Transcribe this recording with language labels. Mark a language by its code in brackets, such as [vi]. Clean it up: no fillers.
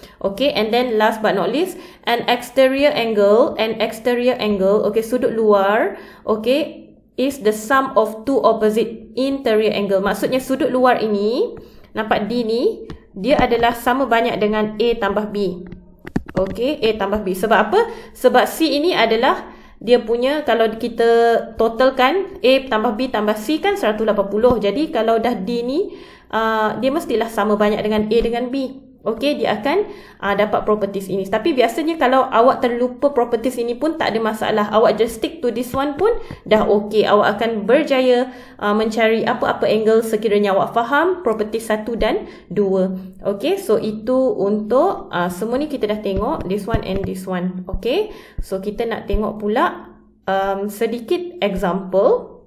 [en] Okay, and then last but not least, an exterior angle, okay, [ms] sudut luar, [en] okay, is the sum of two opposite interior angle. [ms] Maksudnya sudut luar ini, nampak D ni, dia adalah sama banyak dengan A tambah B. Okay, A tambah B. Sebab apa? Sebab C ini adalah dia punya, kalau kita totalkan A tambah B tambah C kan 180. Jadi kalau dah D ni, dia mestilah sama banyak dengan A dengan B. Okey, dia akan dapat properties ini. Tapi biasanya kalau awak terlupa properties ini pun tak ada masalah. Awak [en] just stick to this one [ms] pun dah okey. Awak akan berjaya mencari apa-apa angle sekiranya awak faham properties 1 dan 2. Okey, so itu untuk semua ni kita dah tengok [en] this one and this one. [ms] Okey, so kita nak tengok pula sedikit example.